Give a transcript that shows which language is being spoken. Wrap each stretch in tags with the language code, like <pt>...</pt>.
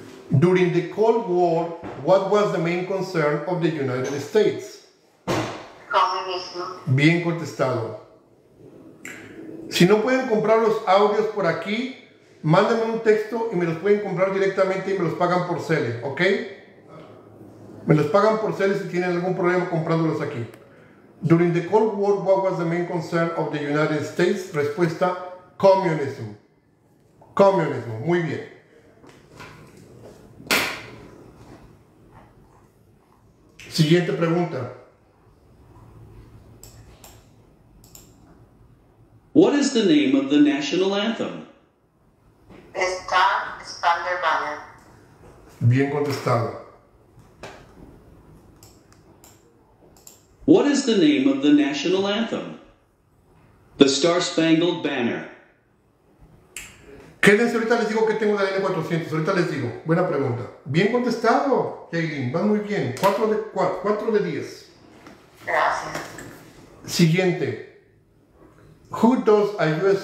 <en>During the Cold War, what was the main concern of the United States?</en> <es>Comunismo. Bien contestado. Si no pueden comprar los audios por aquí, mándenme un texto y me los pueden comprar directamente y me los pagan por Cele, ¿ok? Me los pagan por Cele si tienen algún problema comprándolos aquí.</es> <en>During the Cold War, what was the main concern of the United States?</en> <es>Respuesta, comunismo. Comunismo, muy bien. Siguiente pregunta.</es> <en>What is the name of the national anthem? Star Spangled Banner.</en> <es>Bien contestado.</es> <en>What is the name of the national anthem? The Star Spangled Banner.</en> <es>Quédense, ahorita les digo que tengo la N400, ahorita les digo. Buena pregunta. Bien contestado, Jaylin. Va muy bien. 4 de 10. Gracias. Siguiente.</es> <en>Who does a U.S.</en>